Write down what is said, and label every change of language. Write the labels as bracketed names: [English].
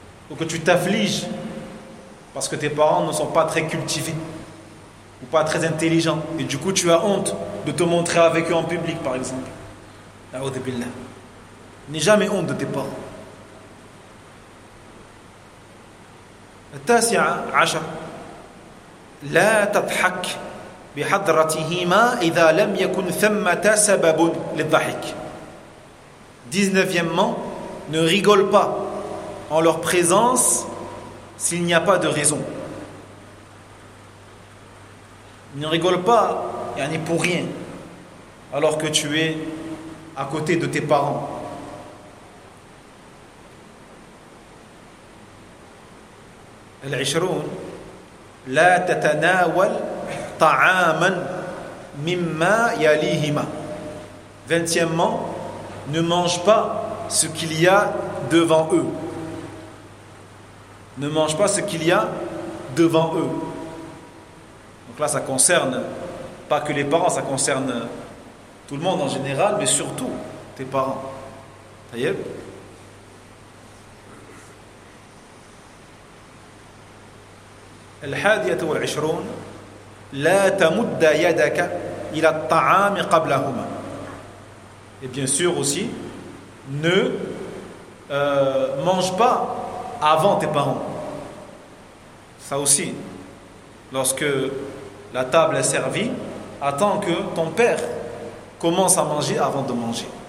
[French] Ou que tu t'affliges parce que tes parents ne sont pas très cultivés ou pas très intelligents. Et du coup, tu as honte de te montrer avec eux en public, par exemple. [Arabic] A'oudhu billah. [French] N'aie jamais honte de tes parents. [Arabic] التاسعه عشر لا تضحك بحضرتهما اذا لم يكن ثم سبب للضحك. [French] 19e, ne rigole pas en leur présence s'il n'y a pas de raison. Ne rigole pas, yani, pour rien alors que tu es à côté de tes parents. [Arabic] العشرون لا تتناول طعاما مما يليهما. [French] 20e, ne mange pas ce qu'il y a devant eux. Ne mange pas ce qu'il y a devant eux. Donc là, ça concerne pas que les parents, ça concerne tout le monde en général, mais surtout tes parents. Taïeb. [Arabic] الحادية والعشرون لا تمد يدك إلى الطعام قبلهما. [French] Et bien sûr aussi, ne mange pas avant tes parents. Ça aussi, lorsque la table est servie, attends que ton père commence à manger avant de manger.